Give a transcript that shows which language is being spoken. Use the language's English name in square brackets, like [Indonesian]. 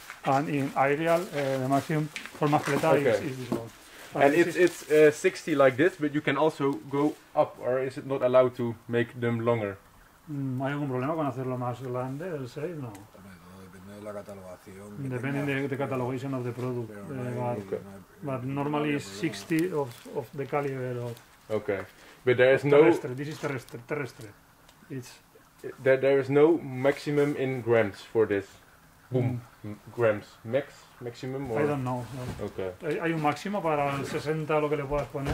[English] And in aerial, the maximum for masculata is this one. And it's 60 like this, but you can also go up, or is it not allowed to make them longer? [Spanish] ¿Hay algún problema con hacerlo más grande, el 6? No. Depende de la catalogación. Depende de la catalogación [English] of the product. But normally it's 60 of the caliber of... Okay. But there is no... Terrestre. This is terrestre. It's... There is no maximum in grams for this. Boom. Grams. Maximum or...? I don't know. No. Okay. [Spanish] ¿Hay un máximo para el 60 lo que le puedas poner?